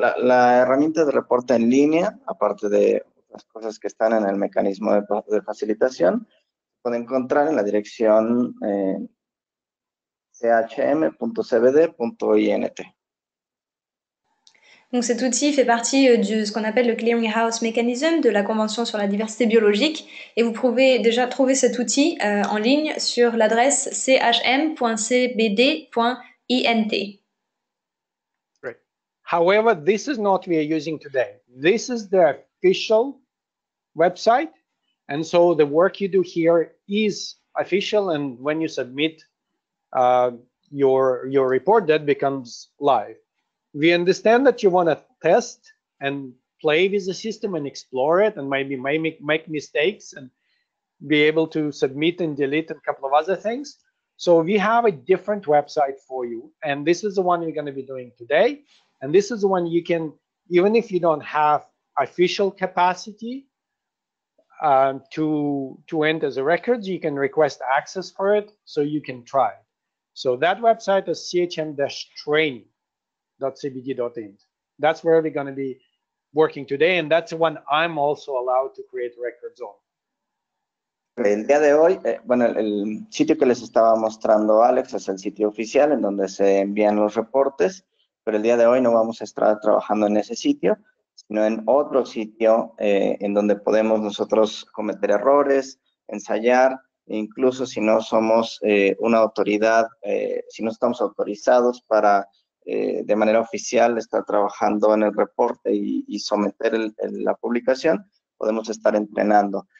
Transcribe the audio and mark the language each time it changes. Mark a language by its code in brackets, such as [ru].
[es] La herramienta de reporte en línea, aparte de las cosas que están en el mecanismo de facilitación, pueden encontrar en la dirección chm.cbd.int. [fr] Donc cet outil fait partie de ce qu'on appelle le clearinghouse mechanism de la Convention sur la diversité biologique, et vous pouvez déjà trouver cet outil en ligne sur l'adresse chm.cbd.int. [en] Right. However, this is not what we are using today. This is the official website, and so the work you do here is official, and when you submit your report, that becomes live. We understand that you want to test and play with the system and explore it, and maybe make mistakes and be able to submit and delete a couple of other things. So we have a different website for you, and this is the one you're going to be doing today, and this is the one you can, even if you don't have official capacity to enter the records, you can request access for it, so you can try. So that website is chm-training.cbd.in. That's where we're going to be working today, and that's the one I'm also allowed to create records on. [es] El día de hoy, el sitio que les estaba mostrando Alex es el sitio oficial en donde se envían los reportes, pero el día de hoy no vamos a estar trabajando en ese sitio, sino en otro sitio en donde podemos nosotros cometer errores, ensayar, incluso si no somos una autoridad, si no estamos autorizados para de manera oficial estar trabajando en el reporte y someter la publicación, podemos estar entrenando.